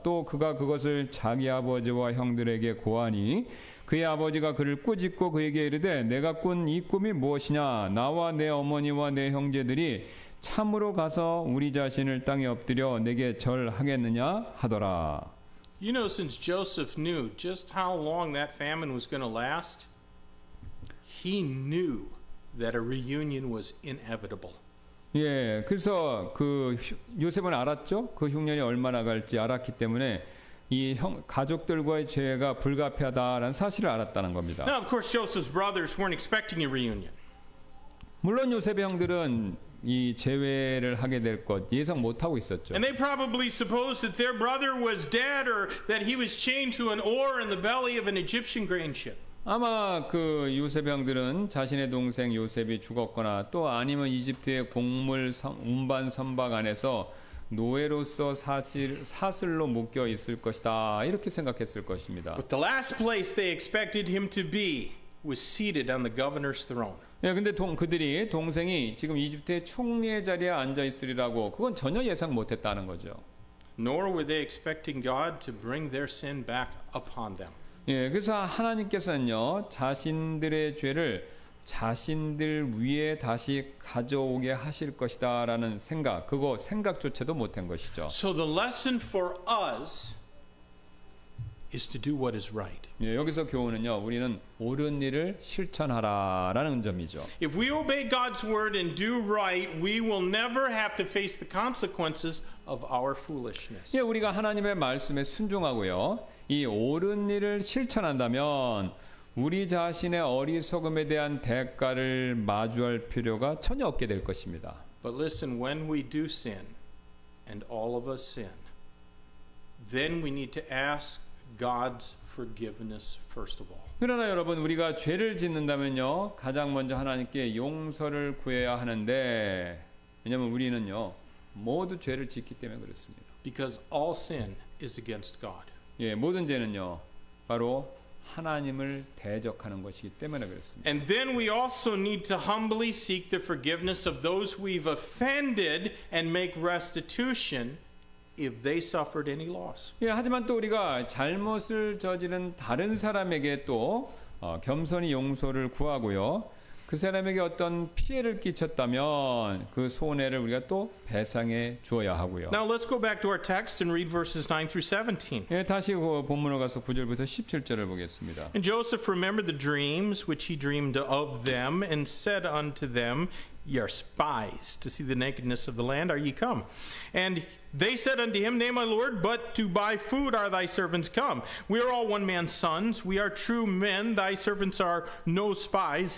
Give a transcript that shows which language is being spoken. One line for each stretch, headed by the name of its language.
Korean: 또 그가 그것을 자기 아버지와 형들에게 고하니 그의 아버지가 그를 꾸짖고 그에게 이르되 내가 꾼 이 꿈이 무엇이냐 나와 내 어머니와 내 형제들이 참으로 가서 우리 자신을 땅에 엎드려 내게 절하겠느냐 하더라.
English: You know, since Joseph knew just how long that famine was going to last, he knew that a reunion was inevitable.
Korean: 예, 그래서 그 요셉은 알았죠. 그 흉년이 얼마나 갈지 알았기 때문에 이 형 가족들과의 재회가 불가피하다라는 사실을 알았다는 겁니다.
English: Now, of course, Joseph's brothers weren't expecting a reunion.
Korean: 물론 요셉의 형들은 이 재회를 하게 될 것 예상 못 하고 있었죠.
English: And they probably supposed that their brother was dead or that he was chained to an oar in the belly of an Egyptian grain ship.
Korean: 아마 그 요셉 형들은 자신의 동생 요셉이 죽었거나 또 아니면 이집트의 곡물 운반 선박 안에서 노예로서 사슬로 묶여 있을 것이다 이렇게 생각했을 것입니다.
English: But the last place they expected him to be was seated on the governor's throne.
Korean: 예, 근데 그들이 동생이 지금 이집트의 총리의 자리에 앉아 있으리라고 그건 전혀 예상 못했다는 거죠.
English: Nor were they expecting God to bring their sin back upon them.
Korean: 예, 그래서 하나님께서는요 자신들의 죄를 자신들 위에 다시 가져오게 하실 것이다라는 생각, 그거 생각조차도 못한 것이죠.
English: So the lesson for us is to do what is right.
Korean: 예, 여기서 교훈은요, 우리는 옳은 일을 실천하라라는 점이죠.
English: If we obey God's word and do right, we will never have to face the consequences of our foolishness.
Korean: 예, 우리가 하나님의 말씀에 순종하고요, 이 옳은 일을 실천한다면. 우리 자신의 어리석음에 대한 대가를 마주할 필요가 전혀 없게 될 것입니다.
English: But listen, when we do sin, and all of us sin, then we need to ask God's forgiveness first of all.
Korean: 그러나 여러분, 우리가 죄를 짓는다면요, 가장 먼저 하나님께 용서를 구해야 하는데, 왜냐하면 우리는요, 모두 죄를 짓기 때문에 그렇습니다.
English: Because all sin is against God.
Korean: 예, 모든 죄는요, 바로 하나님을 대적하는 것이기 때문에 그렇습니다.
English: And then we also need to humbly seek the forgiveness of those we've offended and make restitution if they suffered any loss.
Korean: 예, 하지만 또 우리가 잘못을 저지른 다른 사람에게 또 겸손히 용서를 구하고요. 그 사람에게 어떤 피해를 끼쳤다면 그 손해를 우리가 또 배상해 주어야 하고요.
English: Now let's go back to our text and read verses 9 through 17.
Korean: 예, 다시 본문으로 가서 9절부터 17절을 보겠습니다.
English: And Joseph remembered the dreams which he dreamed of them and said unto them, Ye are spies to see the nakedness of the land. Are ye come? And they said unto him, Nay, my lord, but to buy food are thy servants come. We are all one man's sons. We are true men. Thy servants are no spies.